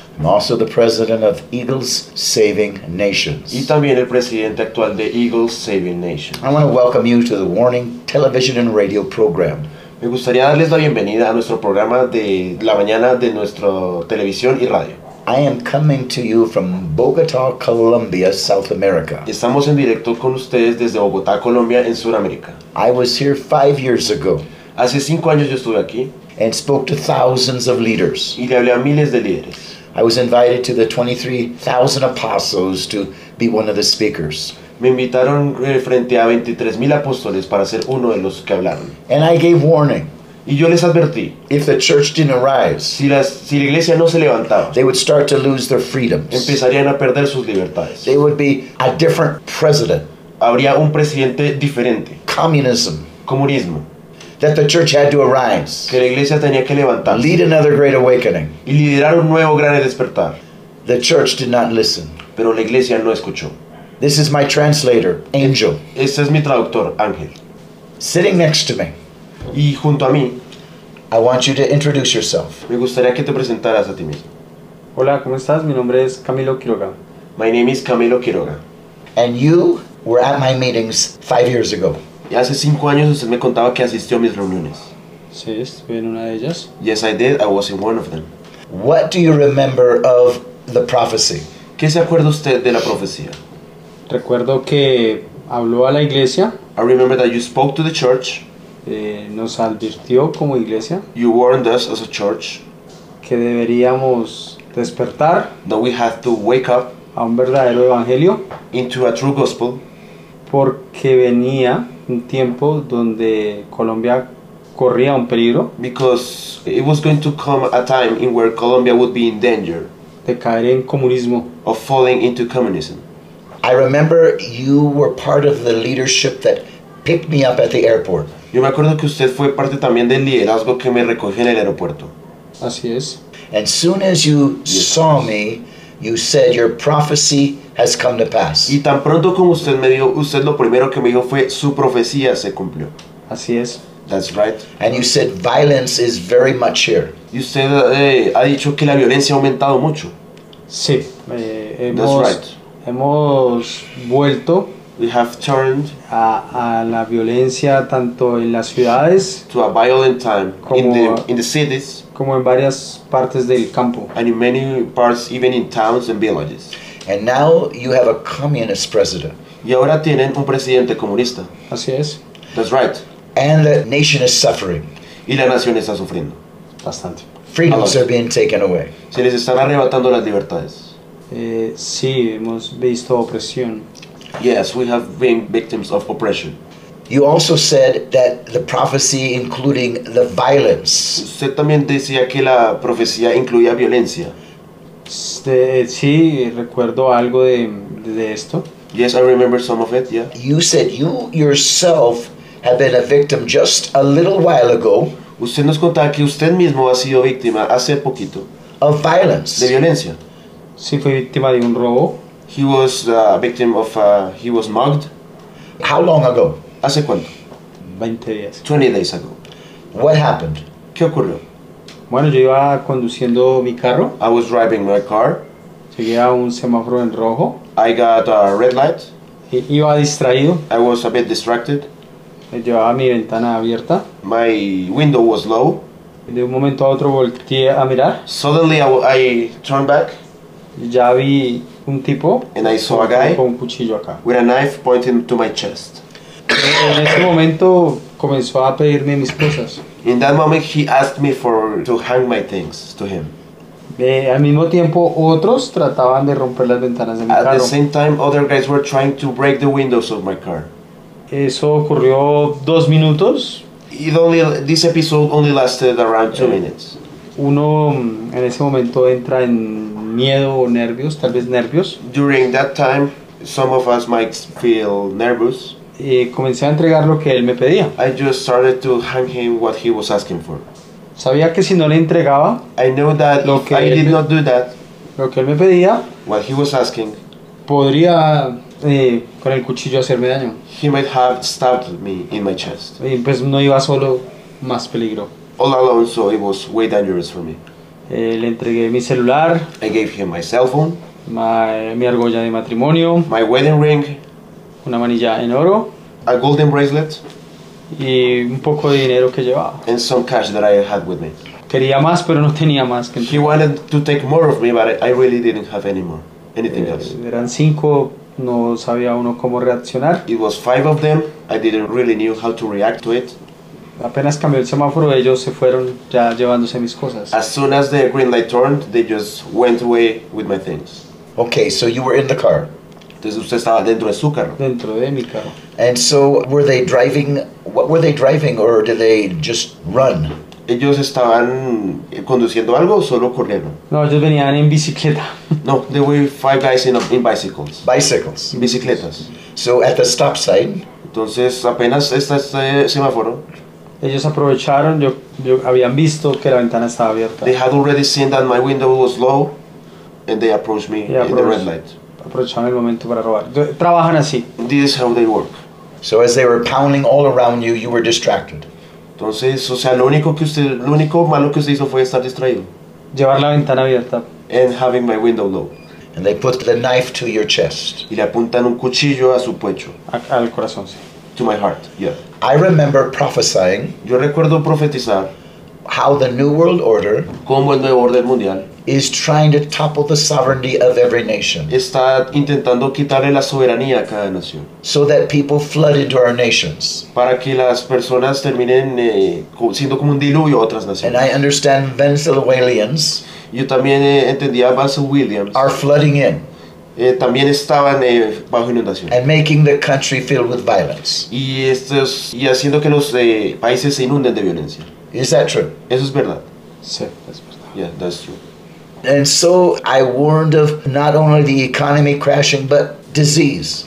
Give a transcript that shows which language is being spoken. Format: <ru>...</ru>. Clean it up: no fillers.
<en>I'm also the president of Eagles Saving Nations.</en> <es>Y también el presidente actual de Eagles Saving Nations.</es> <en>I want to welcome you to the Warning Television and Radio Program.</en> <es>Me gustaría darles la bienvenida a nuestro programa de la mañana de nuestra televisión y radio.</es> <en>I am coming to you from Bogotá, Colombia, South America.</en> <es>Estamos en directo con ustedes desde Bogotá, Colombia, en Sudamérica.</es> <en>I was here 5 years ago.</en> <es>Hace 5 años yo estuve aquí.</es> <en>And spoke to thousands of leaders.</en> <es>Y le hablé a miles de líderes.</es> <en>I was invited to the 23,000 apostles to be one of the speakers.</en> <es>Me invitaron frente a 23,000 apóstoles para ser uno de los que hablaron.</es> <en>And I gave warning.</en> <es>Y yo les advertí.</es> <en>If the church didn't arise,</en> <es>si la iglesia no se levantaba,</es> <en>they would start to lose their freedoms.</en> <es>Empezarían a perder sus libertades.</es> <en>They would be a different president.</en> <es>Habría un presidente diferente.</es> <en>Communism.</en> <es>Comunismo.</es> <en>That the church had to arise.</en> <es>Que la iglesia tenía que levantarse.</es> <en>Lead another great awakening.</en> <es>Y liderar un nuevo gran despertar.</es> <en>The church did not listen.</en> <es>Pero la iglesia no escuchó.</es> <en>This is my translator, Angel.</en> <es>Este es mi traductor, Ángel.</es> <en>Sitting next to me.</en> <es>Y junto a mí.</es> <en>I want you to introduce yourself.</en> <es>Me gustaría que te presentaras a ti mismo. Hola, ¿cómo estás? Mi nombre es Camilo Quiroga.</es> <en>My name is Camilo Quiroga. And you were at my meetings 5 years ago.</en> <es>Y hace 5 años usted me contaba que asistió a mis reuniones. Sí, estuve en una de ellas.</es> <en>Yes, I did. I was in one of them. What do you remember of the prophecy?</en> <es>¿Qué se acuerda usted de la profecía? Recuerdo que habló a la iglesia.</es> <en>I remember that you spoke to the church.</en> <es>Nos advirtió como iglesia.</es> <en>You warned us as a church.</en> <es>Que deberíamos despertar.</es> <en>That we have to wake up.</en> <es>A un verdadero evangelio.</es> <en>Into a true gospel.</en> <es>Porque venía un tiempo donde Colombia corría un peligro.</es> <en>Because it was going to come a time in where Colombia would be in danger.</en> <es>De caer en comunismo.</es> <en>Of falling into communism. I remember you were part of the leadership that picked me up at the airport.</en> <es>Yo me acuerdo que usted fue parte también del liderazgo que me recogió en el aeropuerto. Así es.</es> <en>And soon as you saw me, you said your prophecy has come to pass.</en> <es>Y tan pronto como usted me dijo, usted lo primero que me dijo fue su profecía se cumplió. Así es.</es> <en>That's right. And you said violence is very much here.</en> <es>Y usted ha dicho que la violencia ha aumentado mucho. Sí.</es> <en>That's right.</en> <es>Hemos vuelto.</es> <en>We have turned</en> <es>a la violencia tanto en las ciudades.</es> <en>To a violent time in the cities.</en> <es>Como en varias partes del campo.</es> <en>And in many parts, even in towns and villages. And now you have a communist president.</en> <es>Y ahora tienen un presidente comunista. Así es.</es> <en>That's right. And the nation is suffering.</en> <es>Y la nación está sufriendo. Bastante.</es> <en>Freedoms are being taken away.</en> <es>Se les están arrebatando las libertades. Sí, hemos visto opresión.</es> <en>Yes, we have been victims of oppression. You also said that the prophecy including the violence.</en> <es>Usted también decía que la profecía incluía violencia. Sí, recuerdo algo de esto.</es> <en>Yes, I remember some of it, yeah. You said you yourself have been a victim just a little while ago.</en> <es>Usted nos contaba que usted mismo ha sido víctima hace poquito.</es> <en>Of violence.</en> <es>De violencia. Sí, fue víctima de un robo.</es> <en>He was a victim of, he was mugged. How long ago?</en> <es>¿Hace cuánto? 20 días.</es> <en>20 days ago. What happened?</en> <es>¿Qué ocurrió? Bueno, yo iba conduciendo mi carro.</es> <en>I was driving my car.</en> <es>Llegué a un semáforo en rojo.</es> <en>I got a red light.</en> <es>Iba distraído.</es> <en>I was a bit distracted.</en> <es>Llevaba mi ventana abierta.</es> <en>My window was low.</en> <es>De un momento a otro volteé a mirar.</es> <en>Suddenly I turned back.</en> <es>Ya vi un tipo.</es> <en>And I saw a guy.</en> <es>Con un cuchillo acá.</es> <en>With a knife pointing to my chest.</en> <es>En ese momento comenzó a pedirme mis cosas.</es> <en>In that moment he asked me to hang my things to him.</en> <es>Al mismo tiempo otros trataban de romper las ventanas de mi carro.</es> <en>At the same time other guys were trying to break the windows of my car.</en> <es>Eso ocurrió 2 minutos.</es> <en>This episode only lasted around 2 minutes.</en> <es>Uno en ese momento entra en miedo o nervios, tal vez nervios.</es> <en>During that time some of us might feel nervous.</en> <es>Y comencé a entregar lo que él me pedía.</es> <en>I just started to hand him what he was asking for.</en> <es>Sabía que si no le entregaba,</es> <en>I knew that</en> <es>lo que</es> <en>I did not do that,</en> <es>lo que él me pedía,</es> <en>what he was asking,</en> <es>podría con el cuchillo hacerme daño.</es> <en>He might have stabbed me in my chest.</en> <es>Y pues no iba solo, más peligro.</es> <en>All alone, so it was way dangerous for me.</en> <es>Le entregué mi celular.</es> <en>I gave him my cell phone.</en> <es>Mi argolla de matrimonio.</es> <en>My wedding ring.</en> <es>Una manilla en oro.</es> <en>A golden bracelet.</en> <es>Y un poco de dinero que llevaba.</es> <en>And some cash that I had with me.</en> <es>Quería más, pero no tenía más.</es> <en>He wanted to take more of me, but I really didn't have any more. Anything else.</en> <es>Eran cinco, no sabía uno cómo reaccionar.</es> <en>It was five of them. I didn't really knew how to react to it.</en> <es>Apenas cambió el semáforo, ellos se fueron ya llevándose mis cosas.</es> <en>As soon as the green light turned, they just went away with my things. Okay, so you were in the car.</en> <es>Entonces usted estaba dentro de su carro. Dentro de mi carro.</es> <en>And so were they driving? What were they driving, or did they just run?</en> <es>¿Ellos estaban conduciendo algo o solo corrieron? No, ellos venían en bicicleta.</es> <en>No, there were five guys in bicycles. Bicycles.</en> <es>Bicicletas.</es> <en>So at the stop sign.</en> <es>Entonces apenas está este semáforo. Ellos aprovecharon, yo habían visto que la ventana estaba abierta.</es> <en>They had already seen that my window was low and they approached me in the red light.</en> <es>Aprovecharon el momento para robar. Trabajan así.</es> <en>This is how they work. So as they were pounding all around you, you were distracted.</en> <es>Entonces, o sea, lo único malo que usted hizo fue estar distraído. Llevar la ventana abierta.</es> <en>And having my window low. And they put the knife to your chest.</en> <es>Y le apuntan un cuchillo a su pecho. Al corazón, sí.</es> <en>To my heart, yeah. I remember prophesying.</en> <es>Yo recuerdo profetizar.</es> <en>How the new world order.</en> <es>Como el nuevo orden mundial.</es> <en>Is trying to topple the sovereignty of every nation.</en> <es>Está intentando quitarle la soberanía a cada nación.</es> <en>So that people flood into our nations.</en> <es>Para que las personas terminen siendo como un diluvio a otras naciones.</es> <en>And I understand Venezuelans.</en> <es>Yo también entendía Vincent Williams.</es> <en>Are flooding in.</en> <es>También estaban bajo inundación.</es> <en>And making the country filled with violence.</en> <es>Y haciendo que los países se inunden de violencia.</es> <en>Is that true?</en> <es>Eso es verdad. Sí, es verdad.</es> <en>Yeah, that's true. And so I warned of not only the economy crashing, but disease.</en>